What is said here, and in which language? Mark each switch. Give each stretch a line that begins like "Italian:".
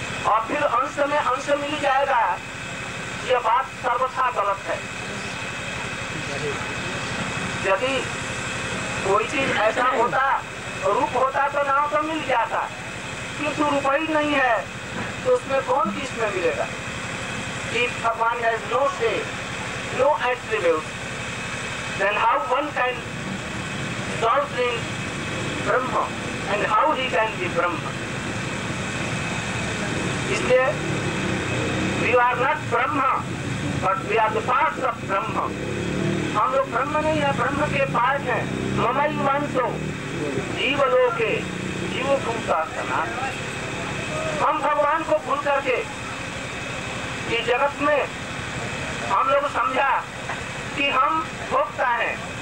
Hindi: और फिर अंश में अंश मिल जाएगा, यह बात सर्वथा गलत है। यदि कोई चीज ऐसा होता, रूप होता तो नाम तो मिल जाता, किंतु रूप ही नहीं है तो उसमें कौन किस में मिलेगा।
English: If Bhagwan has no say no attribute, then how one can dwell in Brahma and how he can be Brahma?
Hindi: इसलिए
English: we are not Brahma, but we are the parts of Brahma.
Hindi: हम लोग ब्रह्म नहीं है, ब्रह्म के पार्ट हैं।
Sanskrit: ममई वंशो जीव लोके जीव भूता सनातन।
Hindi: हम भगवान को भूल करके इस जगत में हम लोग समझा कि हम भोक्ता हैं,